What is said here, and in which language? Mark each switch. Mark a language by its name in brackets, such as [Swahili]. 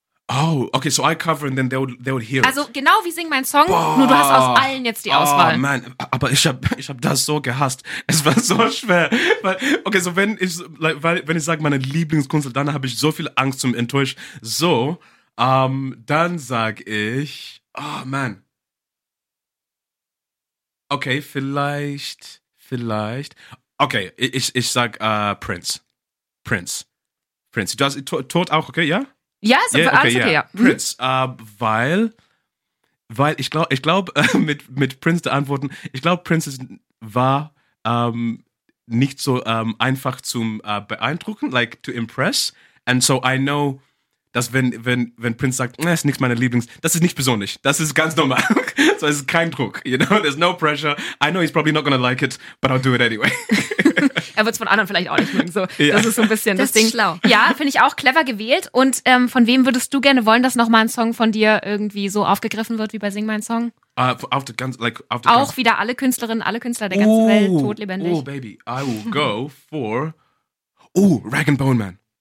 [English] Oh, okay, so I cover and then they would hear it. [German] Also genau wie Sing Mein Song, nur du hast aus allen jetzt die Auswahl. Oh man, aber ich hab das so gehasst. Es war so schwer. Wenn ich sage meine Lieblingskünstler, dann habe ich so viel Angst zum Enttäuschen. So, dann sag ich, oh man. Okay, vielleicht. Okay, ich sag Prince. Du hast tot auch, okay, ja? Yeah? Ja, ist alles okay, ja. Prince, weil ich glaube, Prince war nicht so einfach zum beeindrucken, [English] like to impress. And so I know, [German] dass wenn Prince sagt, das ist nichts meiner Lieblings, das ist nicht persönlich, das ist ganz normal. So es ist kein Druck, [English] you know, there's no pressure. I know he's probably not gonna like it, but I'll do it anyway. [German] Er wird es von anderen vielleicht auch nicht mögen. So. Ja. Das ist so ein bisschen das Ding. Schlau. Ja, finde ich auch clever gewählt. Und von wem würdest du gerne wollen, dass nochmal ein Song von dir irgendwie so aufgegriffen wird wie bei Sing Mein Song? Auf wieder alle Künstlerinnen, alle Künstler der ganzen Welt, todlebendig. [English] Oh, baby, I will go for... Oh, Rag & Bone Man.